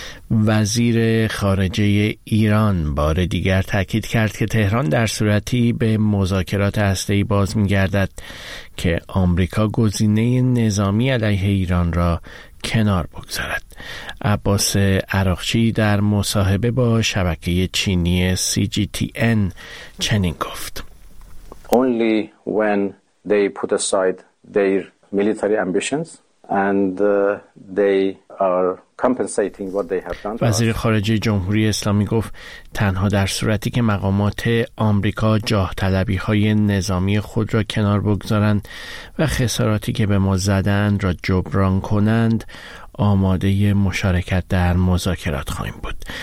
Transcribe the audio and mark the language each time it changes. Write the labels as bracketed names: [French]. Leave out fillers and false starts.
[Persian] وزیر خارجه ایران بار دیگر تاکید کرد که تهران در صورتی به مذاکرات هسته‌ای باز می‌گردد که آمریکا گزینه نظامی علیه ایران را کنار بگذارد. عباس عراقچی در مصاحبه با شبکه چینی CGTN چنین گفت: [English] Only when they put aside their military ambitions and they are compensating what they have done. [Persian] وزیر خارجه جمهوری اسلامی گفت تنها در صورتی که مقامات آمریکا جاه طلبی های نظامی خود را کنار بگذارند و خساراتی که به ما زدند را جبران کنند، آماده مشارکت در مذاکرات خواهیم بود.